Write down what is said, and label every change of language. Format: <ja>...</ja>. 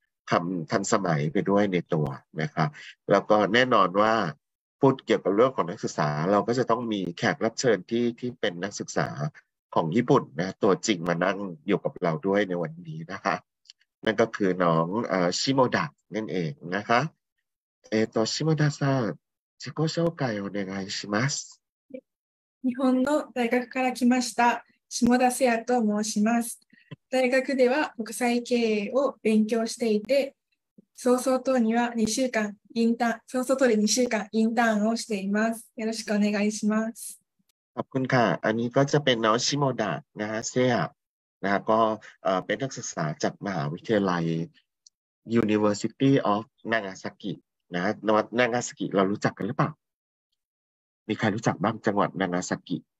<th>คำทันสมัยไปด้วยในตัวนะครับแล้วก็แน่นอนว่าพูดเกี่ยวกับเรื่องของนักศึกษาเราก็จะต้องมีแขกรับเชิญที่เป็นนักศึกษาของญี่ปุ่นนะตัวจริงมานั่งอยู่กับเราด้วยในวันนี้นะคะนั่นก็คือน้องชิโมดะนั่นเองนะคะชิโมดะซา</th> <ja>自己紹介お願いします日本の大学から来ましたしもだせやと申します。大学では国際経営を勉強していて、早々とには2週間インターン、早々とで2週間インターンをしています。よろしくお願いします。</ja> <th>ขอบคุณค่ะ。 อันนี้ก็จะเป็นน้องชิโมดะนะฮะเซียนะฮะก็เป็นนักศึกษาจากมหาวิทยาลัย University of Nagasaki นะฮะ Nagasaki เรารู้จักกันหรือเปล่ามีใครรู้จักบ้างจังหวัด Nagasaki</th>